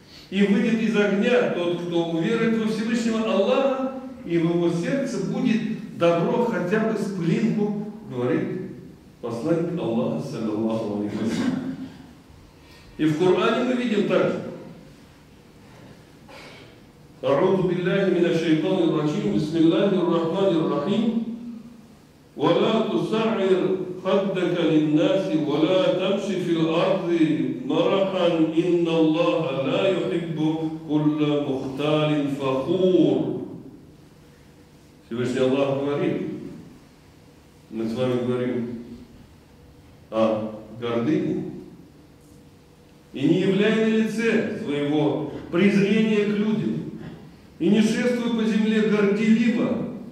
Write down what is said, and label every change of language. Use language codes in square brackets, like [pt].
[ru] И выйдет из огня тот, кто уверует во Всевышнего Аллаха, и в его сердце будет добро хотя бы с пылинку, говорит посланник Аллаха, саллаллаху алейхи вассалям. И в Коране мы видим так же. [ar] أعوذ بالله من الشيطان الرجيم بسم الله الرحمن الرحيم ولا تسعر خدك للناس ولا تمشي في الأرض مرحا إن الله لا يحب كل مختال فخور. [ru] Всевышний Аллах говорит, мы с вами говорим о гордыне, и не являй на лице своего презрения к людям, и не шествуй по земле горделиво.